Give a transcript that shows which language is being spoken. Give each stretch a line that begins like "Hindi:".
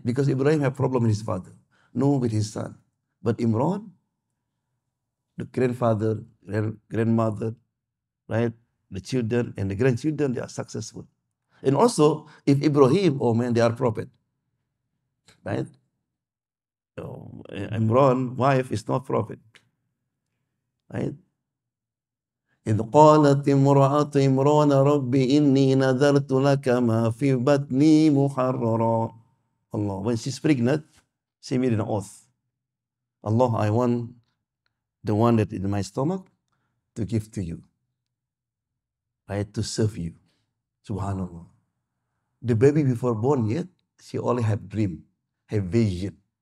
English: Because Ibrahim had problem with his father. Nuh with his son. But Imran, the grandfather, grandmother, right? The children and the grandchildren, they are successful. And also, if Ibrahim, oh man, they are prophet. Right? Imran, wife, is not prophet. Right?
Arabic: إذ قالت امرأة إمران ربي إني نذرت لك ما في بطني محررا.
English: Allah, when she's pregnant, she made an oath. Allah, I want the one that is in my stomach to give to you. I had to serve you. Subhanallah. The baby before born yet, she only have dream, have vision.